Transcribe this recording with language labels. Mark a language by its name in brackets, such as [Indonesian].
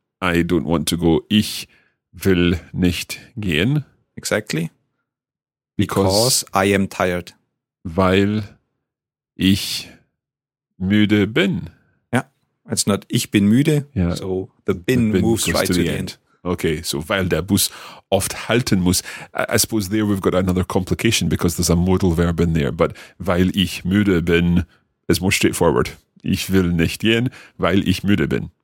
[English] I don't want to go. [German] Ich will nicht gehen. [English] Exactly. Because I am tired. [German] Weil ich müde bin. [English] Yeah, it's not [German] ich bin müde. [English] Yeah. So the bin moves right to the end. [German] Okay, so weil der Bus oft halten muss. [English] I suppose there we've got another complication because there's a modal verb in there. But [German] weil ich müde bin [English] is more straightforward. [German] Ich will nicht gehen, weil ich müde bin.